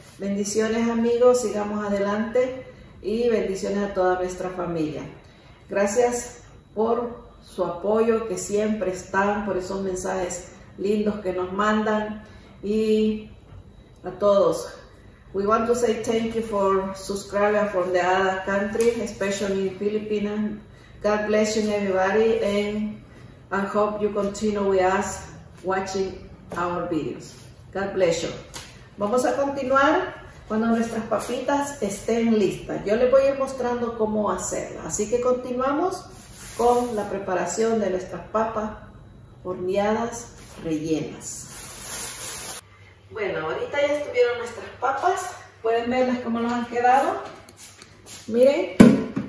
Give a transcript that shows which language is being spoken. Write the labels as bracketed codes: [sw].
[es] Bendiciones amigos, sigamos adelante y bendiciones a toda nuestra familia. Gracias por su apoyo que siempre están, por esos mensajes lindos que nos mandan y a todos. [en] We want to say thank you for subscribing from the other country, especially in Philippines. God bless you everybody and I hope you continue with us watching our videos. God bless you. [es] Vamos a continuar cuando nuestras papitas estén listas. Yo les voy a ir mostrando cómo hacerlas. Así que continuamos con la preparación de nuestras papas horneadas rellenas. Bueno, ahorita ya estuvieron nuestras papas. Pueden verlas cómo nos han quedado. Miren.